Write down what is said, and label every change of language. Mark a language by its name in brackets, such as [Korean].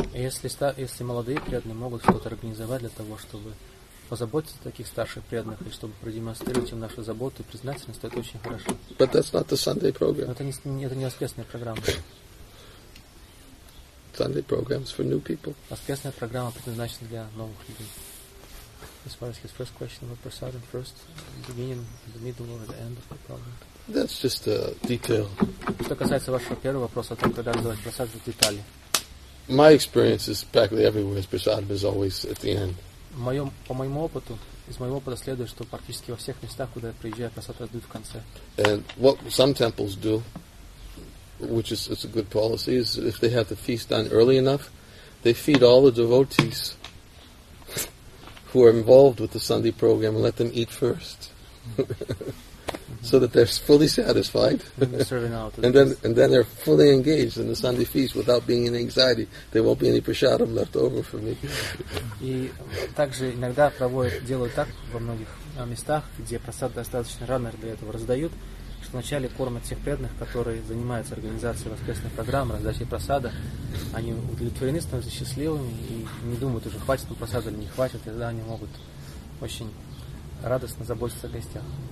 [Russian] Если молодые преданные могут что-то организовать для того, чтобы позаботиться о таких старших преданных, и чтобы продемонстрировать им нашу заботу и признательность, это очень хорошо. [English] But that's not the Sunday program. [Russian] Но это не воскресная программа. [English] Sunday programs for new people. [Russian] Воскресная программа предназначена для новых людей. [English] As far as his first question about prasadam, first, the beginning, the middle, or the end of the program. That's just a detail. [Russian] Что касается вашего первого вопроса о том, когда раздавать прасадам, в детали. [English] My experience is practically everywhere. Prasadam is always at the end. [Russian] По моему опыту, из моего опыта следует, что практически во всех местах, куда я приезжаю, прасад раздают в конце. [English] And what some temples do, which is it's a good policy, is if they have the feast done early enough, they feed all the devotees who are involved with the Sunday program and let them eat first. So that they're fully satisfied. And then they're fully engaged in the Sunday feast without being in anxiety. There won't be any prasadam left over for me. [Russian] И также иногда делают так во многих местах, где прасад достаточно рано для этого раздают, что вначале кормят тех преданных, которые занимаются организацией воскресных программ, раздачей прасада. Они удовлетворены, становятся счастливыми и не думают уже, хватит ли прасада или не хватит, и тогда они могут очень радостно заботиться о гостях.